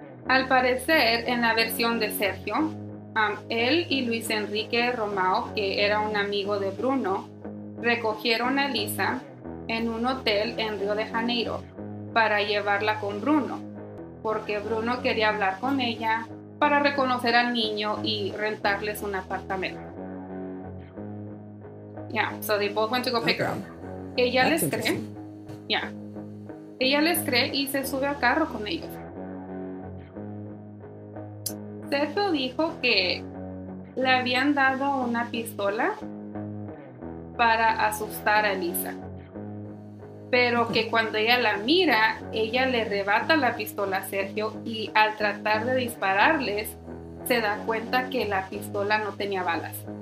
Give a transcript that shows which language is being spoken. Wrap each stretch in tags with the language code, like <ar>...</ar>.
<es>Al parecer, en la versión de Sergio, él y Luis Enrique Romao, que era un amigo de Bruno, recogieron a Lisa en un hotel en Río de Janeiro para llevarla con Bruno, porque Bruno quería hablar con ella para reconocer al niño y rentarles un apartamento.</es> <en>Yeah, so they both went to go pick her up.</en> <es>Ella</es> <en>That's</en> <es>les cree. Yeah. Ella les cree y se sube al carro con ellos. Sergio dijo que le habían dado una pistola para asustar a Lisa. Pero que cuando ella la mira, ella le arrebata la pistola a Sergio y al tratar de dispararles, se da cuenta que la pistola no tenía balas.</es>